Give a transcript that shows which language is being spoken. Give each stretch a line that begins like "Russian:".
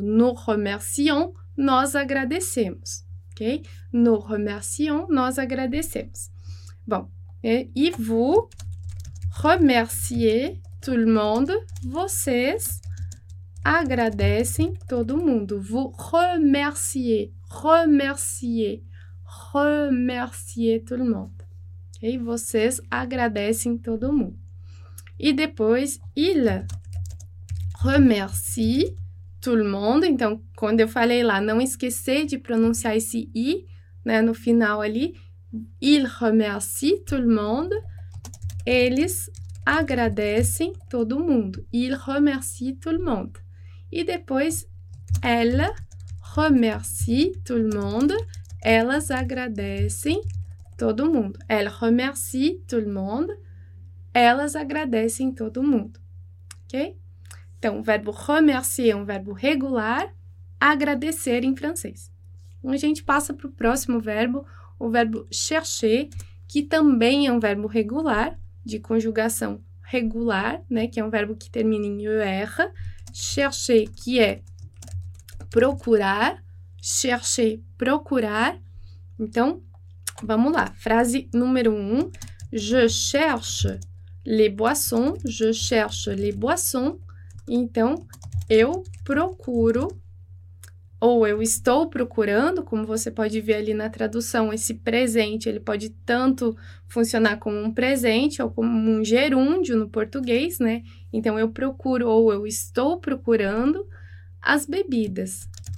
French: Nous remercions,
Portuguese: nós agradecemos. Ok?
French: Nous remercions,
Portuguese: nós agradecemos. Bom, e
French: vous remerciez tout le monde,
Portuguese: vocês agradecem todo mundo.
French: Vous remerciez, remerciez, remerciez tout le monde. Ok?
Portuguese: Vocês agradecem todo mundo. E depois,
French: il remercie tout le monde.
Portuguese: Então, quando eu falei lá, não esquecer de pronunciar esse i, né, no final ali.
French: Il remercie tout le monde.
Portuguese: Eles agradecem todo mundo.
French: Il remercie tout le monde.
Portuguese: E depois,
French: elle remercie tout le monde.
Portuguese: Elas agradecem todo mundo.
French: Elle remercie tout le monde.
Portuguese: Elas agradecem todo mundo. Ok? Então, o verbo remercier é um verbo regular, agradecer em francês. A gente passa para o próximo verbo, o verbo chercher, que também é um verbo regular, de conjugação regular, né? Que é um verbo que termina em er. Chercher, que é procurar. Chercher, procurar. Então, vamos lá. Frase número 1.
French: Je cherche les boissons. Je cherche les boissons.
Portuguese: Então, eu procuro ou eu estou procurando, como você pode ver ali na tradução, esse presente, ele pode tanto funcionar como um presente ou como um gerúndio no português, né? Então, eu procuro ou eu estou procurando as bebidas.